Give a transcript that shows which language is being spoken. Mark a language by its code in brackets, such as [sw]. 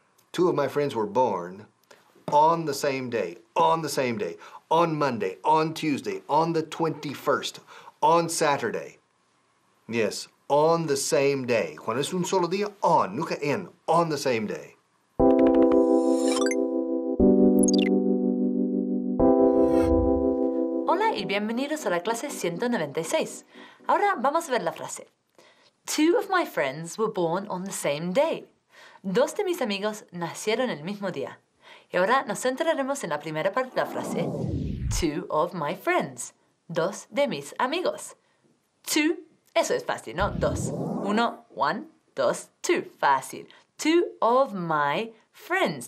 [en] Two of my friends were born on the same day, on the same day, on Monday, on Tuesday, on the 21st, on Saturday. Yes. On the same day. [es] Cuando es un solo día, on, nunca en. [en] On the same day. [es] Hola y bienvenidos a la clase 196. Ahora vamos a ver la frase. [en] Two of my friends were born on the same day. [es] Dos de mis amigos nacieron el mismo día. Y ahora nos centraremos en la primera parte de la frase. [en] Two of my friends. [es] Dos de mis amigos. Two. Eso es fácil, ¿no? Dos. [en] Uno, one, dos, two. Fácil. Two of my friends.